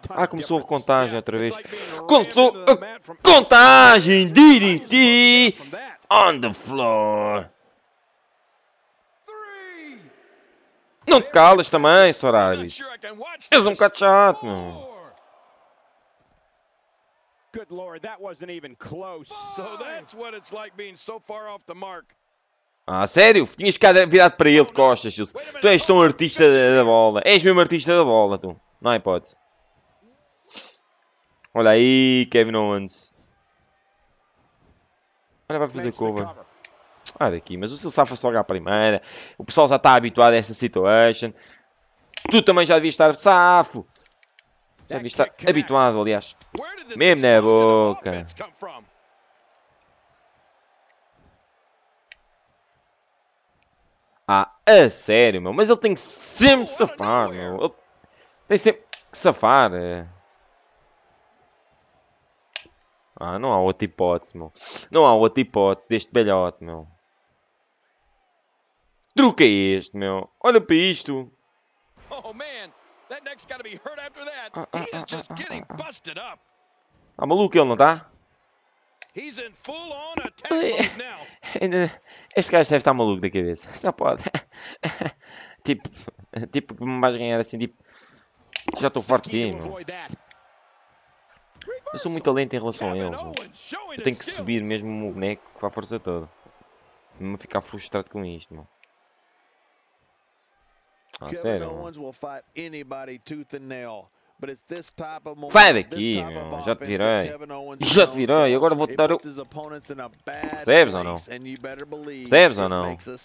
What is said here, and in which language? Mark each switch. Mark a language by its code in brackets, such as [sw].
[pt] Começou a contagem outra vez. Começou a contagem! [en] DDT! On the floor! [pt] Não te calas também, Sorari! És um bocado chato, mano! [en] Good lord, that wasn't even close. So that's what it's like being so far off the mark. [pt] Ah, sério? Tinhas que virado para ele de costas, Sils. Tu és tão artista da bola. És mesmo artista da bola, tu. Não há hipótese. Olha aí, Kevin Owens. Olha, vai fazer cover. Ah, daqui, mas o Silsafa só a primeira. O pessoal já está habituado a essa situation. Tu também já devias estar safo. Já devias estar habituado, aliás. Mesmo na boca. Ah, a sério, meu. Mas ele tem que sempre safar, meu. Ele tem sempre que safar. Ah, não há outra hipótese, meu. Não há outra hipótese deste belhote, meu. Truque é este, meu. Olha para isto. [en] Oh man, that neck's gotta be hurt after that. He is just getting busted up. [pt] Tá maluco ele, não tá? [en] He's in full on attack mode now. [pt] Este gajo deve estar maluco da cabeça. Só pode. Tipo, que me vais ganhar assim, tipo. Já estou forte de mim. Eu sou muito lento em relação a ele. Eu tenho que subir mesmo o boneco com a força toda. Não vou ficar frustrado com isto, mano. Ah, sério, [en] Kevin Owens will fight anybody tooth and nail, but it's this type of [pt] sai daqui, meu. Já te virei. Já te virei. Agora vou te dar o. Percebes ou não? Percebes ou não? Percebes ou não?